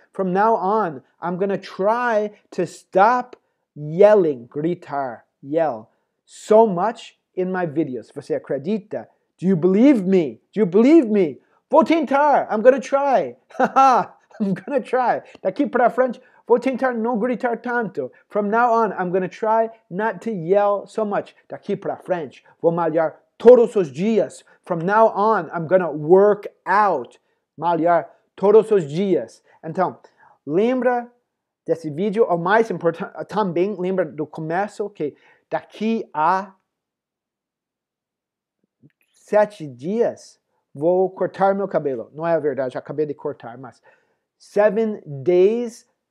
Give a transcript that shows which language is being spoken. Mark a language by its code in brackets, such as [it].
[en] From now on, I'm gonna try to stop yelling, gritar, yell, so much in my videos. [pt] Você acredita? [en] Do you believe me? Do you believe me? [pt] Vou tentar. [en] I'm gonna try. Haha, I'm gonna try. [pt] Daqui para frente, vou tentar não gritar tanto. [en] From now on, I'm going to try not to yell so much. [pt] Daqui para frente, vou malhar todos os dias. [en] From now on, I'm going to work out. [pt] Malhar todos os dias. Então, lembra desse vídeo, ou mais importante, também lembra do começo, que daqui a 7 dias, vou cortar meu cabelo. Não é a verdade, acabei de cortar, mas [en] 7 days...